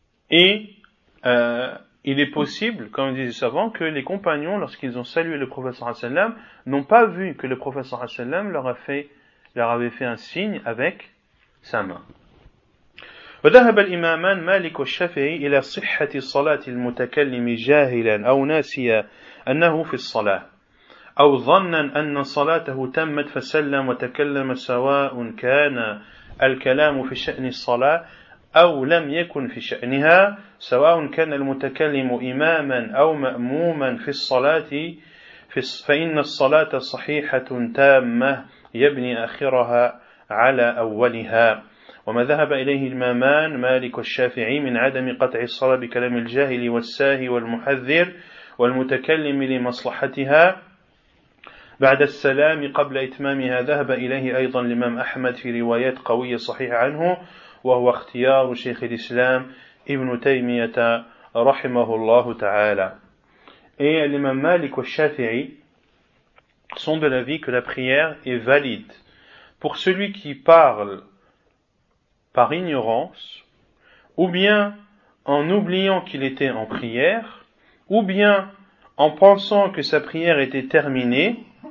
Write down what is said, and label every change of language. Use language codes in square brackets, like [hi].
[fr] Il est possible, comme disait le savant, que les compagnons, lorsqu'ils ont salué le prophète [ar] sallallahu alayhi wa sallam, [fr] n'ont pas vu que le prophète sallallahu alayhi wa sallam leur avait fait un signe avec sa main. [ar] وذهب الإمامان مالك والشافعي إلى صحة صلاة المتكلم جاهلا أو ناسيا أنه في الصلاة أو ظنا أن صلاته تمت فسلم وتكلم سواء كان الكلام في شأن الصلاة أو لم يكن في شأنها سواء كان المتكلم إماما أو مأموما في الصلاة فإن الصلاة صحيحة تامة يبني آخرها على أولها وما ذهب إليه الإمامان مالك والشافعي من عدم قطع الصلاة بكلام الجاهل والساهي والمحذر والمتكلم لمصلحتها بعد السلام قبل إتمامها ذهب إليه أيضا الإمام أحمد في روايات قوية صحيحة عنه وهو اختيار شيخ الإسلام ابن تيمية رحمه الله تعالى. [fr] Et l'imam Malik et Shafi'i sont de l'avis que la prière est valide pour celui qui parle par ignorance, ou bien en oubliant qu'il était en prière, ou bien en pensant que sa prière était terminée,